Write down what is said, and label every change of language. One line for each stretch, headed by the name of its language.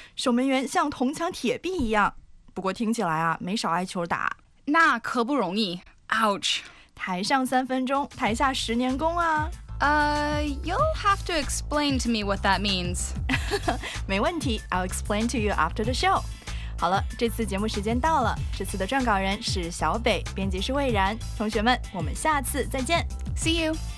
Chinese: 守门员像铜墙铁壁一样。不过听起来啊，没少挨球打。那可不容易。
English: Ouch.
Chinese: 台上三分钟，台下十年功啊。
English: You'll have to explain to me what that means.
Chinese: 没问题，
English: I'll explain to you after the show.
Chinese: 好了，这次节目时间到了。这次的撰稿人是小北，编辑是魏然。同学们，我们下次再见。
English: See you.